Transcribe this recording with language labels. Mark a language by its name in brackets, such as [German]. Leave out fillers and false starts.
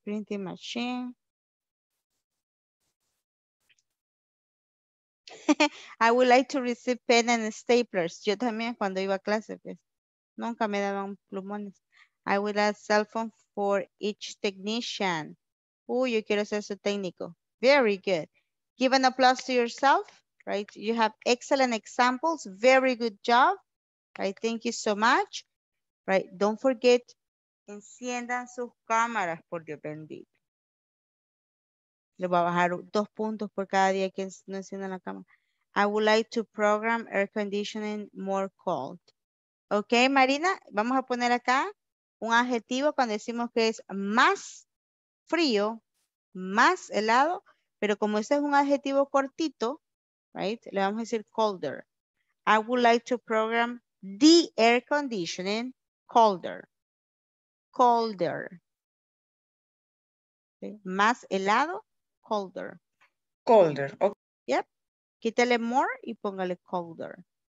[English] Printing machine. I would like to receive pen and staplers. [Spanish] Yo también cuando iba a clase, pues, nunca me daban plumones. [English] I would have a cell phone for each technician. Oh, [Spanish] yo quiero ser su técnico. [English] Very good. Give an applause to yourself, right? You have excellent examples. Very good job. Right, thank you so much. Right, don't forget, [Spanish] enciendan sus cámaras, por Dios bendito. Le voy a bajar 2 puntos por cada día que no enciendan la cámara. [English] I would like to program air conditioning more cold. [Spanish] Okay, Marina, vamos a poner acá un adjetivo cuando decimos que es más frío, más helado, pero como este es un adjetivo cortito, right, le vamos a decir colder. [English] I would like to program the air conditioning colder. Colder. Okay. [Spanish] Más helado, colder. [English] Colder, okay. [Spanish] Yep, quítale more y póngale colder.